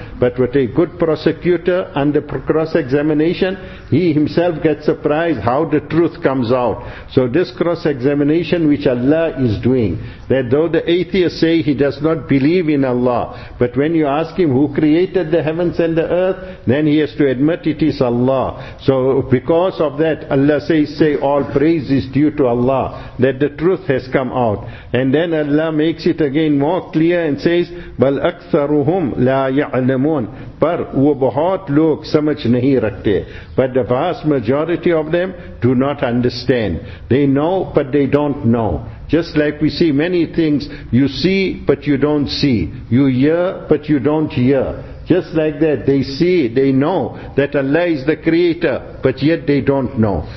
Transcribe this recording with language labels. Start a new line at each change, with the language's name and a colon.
English: but with a good prosecutor under cross-examination he himself gets surprised how the truth comes out so this cross-examination which Allah is doing that though the atheist say he does not believe in Allah but when you ask him who created the heavens and the earth then he has to admit it is Allah So because of that, Allah says, say all praise is due to Allah, that the truth has come out. And then Allah makes it again more clear and says,
Arabic: بَلْ أَكْثَرُهُمْ لَا يَعْلَمُونَ
Urdu: پر وہ بہت لوگ سمجھ نہیں رکھتے.
English: But the vast majority of them do not understand. They know, but they don't know. Just like we see many things, you see, but you don't see. You hear, but you don't hear. Just like that, they see, they know that Allah is the creator, but yet they don't know.